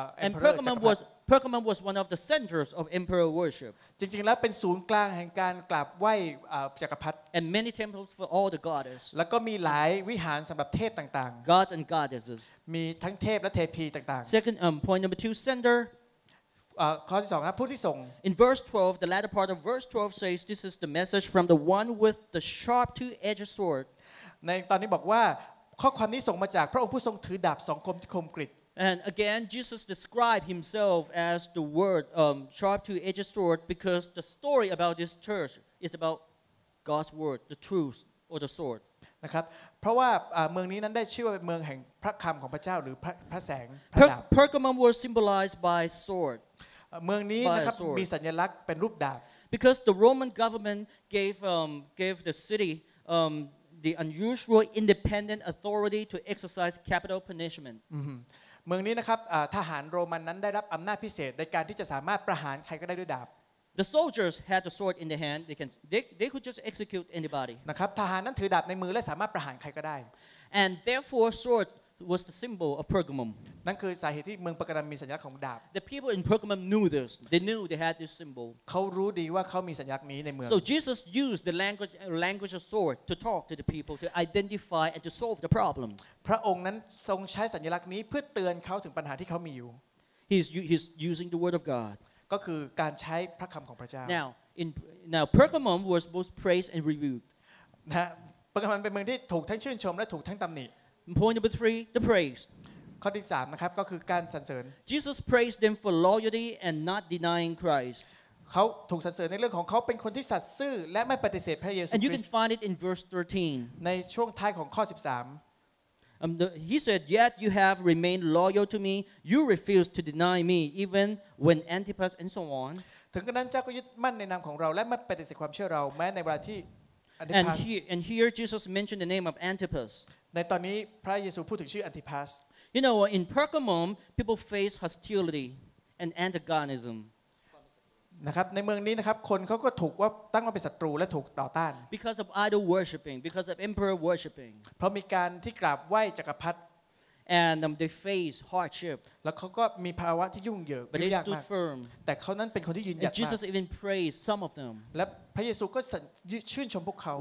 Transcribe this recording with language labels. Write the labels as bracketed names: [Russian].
[English] emperor Pergamum was one of the centers of emperor worship [Thai] จริงๆแล้วเป็นศูนย์กลางแห่งการกราบไหว้จักรพรรดิ [English] and many temples for all the goddesses [Thai] แล้วก็มีหลายวิหารสําหรับเทพต่าง [English] ๆ gods and goddesses [Thai] มีทั้งเทพและเทพีต่าง [English] ๆ second point number 2 center [Thai] ข้อที่สองนะผู้ที่ส่ง [English] In verse 12, the latter part of verse 12 says, "This is the message from the one with the sharp two-edged sword." [Thai] ในตอนนี้บอกว่าข้อความนี้ส่งมาจากพระองค์ผู้ทรงถือดาบสองคมที่คมกริบ [English] And again, Jesus described himself as the word sharp two-edged sword because the story about this church is about God's word, the truth, or the sword. [Thai] นะครับเพราะว่าเมืองนี้นั้นได้ชื่อว่าเป็นเมืองแห่งพระคำของพระเจ้าหรือพระแสงพระดาบ [English] Pergamum was symbolized by sword. [Thai] เมืองนี้นะครับมีสัญลักษณ์เป็นรูปดาบ [English] because the Roman government gave the city the unusual independent authority to exercise capital punishment [Thai] เมืองนี้นะครับทหารโรมันนั้นได้รับอำนาจพิเศษในการที่จะสามารถประหารใครก็ได้ด้วยดาบ [English] the soldiers had the sword in their hand they could just execute anybody [Thai] นะครับทหารนั้นถือดาบในมือและสามารถประหารใครก็ได้ [English] and therefore swordwas the symbol of Pergamum. [Thai] นั่นคือสาเหตุที่เมืองปาร์กามัมมีสัญลักษณ์ของดาบ [English] The people in Pergamum knew this. They knew they had this symbol. [Thai] เขารู้ดีว่าเขามีสัญลักษณ์นี้ในเมือง [English] So Jesus used the language of sword to talk to the people to identify and to solve the problem. [Thai] พระองค์นั้นทรงใช้สัญลักษณ์นี้เพื่อเตือนเขาถึงปัญหาที่เขามีอยู่ [English] He's using the word of God. [Thai] ก็คือการใช้พระคำของพระเจ้า [English] Now Pergamum was both praised and rebuked. [Thai] นะปาร์กามัมเป็นเมืองที่ถูกทั้งชื่นชมและถูกทั้งตำหนิ [English] Point number 3, the praise. [Thai] ข้อที่3นะครับก็คือการสรรเสริญ [English] Jesus praised them for loyalty and not denying Christ. [Thai] เขาถูกสรรเสริญในเรื่องของเขาเป็นคนที่สัตย์ซื่อและไม่ปฏิเสธพระเยซูคริสต์ [English] And you can find it in verse 13. [Thai] ในช่วงท้ายของข้อ13. [English] He said, "Yet you have remained loyal to me. You refused to deny me even when Antipas and so on." [Thai] ถึงกระนั้นเจ้าก็ยึดมั่นในนามของเราและไม่ปฏิเสธความเชื่อเราแม้ในเวลาที่ [English] And here Jesus mentioned the name of Antipas. [Thai] ในตอนนี้พระเยซูพูดถึงชื่ออันติพัส [English] You know in Pergamum people face hostility and antagonism [Thai] นะครับในเมืองนี้นะครับคนเขาก็ถูกว่าตั้งว่าเป็นศัตรูและถูกต่อต้าน [English] because of idol worshiping because of emperor worshiping [Thai] เพราะมีการที่กราบไหว้จักรพรรดิ [English] and they face hardship [Thai] แล้วเขาก็มีภาวะที่ยุ่งเหยิง ยากมาก แต่เขานั้นเป็นคนที่ยืนหยัด [English] Jesus even praised some of them [Thai] และพระเยซูก็ชื่นชมพวกเขา